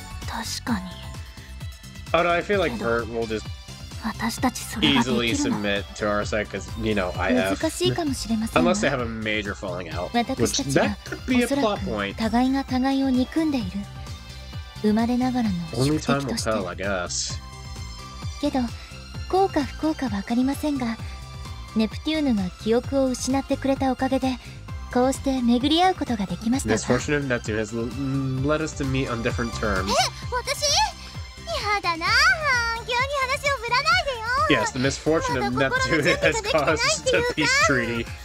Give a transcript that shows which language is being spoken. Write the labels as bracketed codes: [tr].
[ja] 私たちは一度4人で話をすべきなのではないのかしら。確かに。Oh, [en] no, I feel like Bert will just easily submit to our side because, you know, I have. Unless they have a major falling out, which that could be a plot point. [ja] 互いが互いを憎んでいる。生まれながらの宿敵として。Only [en] time will tell, I guess. [ja] けど、幸か不幸かわかりませんが。ネプテューヌが記憶を失ってくれたおかげで、こうして巡り合うことができました。 [en] Misfortune of Neptune has led us to meet on different terms. [ja] え、私？嫌だな。急に話を振らないでよ。Yes, [en] the misfortune of Neptune has caused a peace treaty.